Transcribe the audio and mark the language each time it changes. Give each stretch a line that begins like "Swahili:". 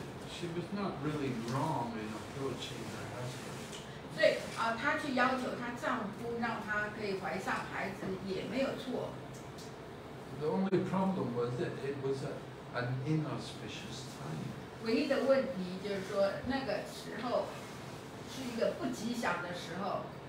English: she was not really wrong in approaching her husband.
Chinese: 所以她去要求她丈夫让她可以怀上孩子也没有错。
English: The only problem was that it was an inauspicious time.
Chinese: 唯一的问题就是说，那个时候是一个不吉祥的时候。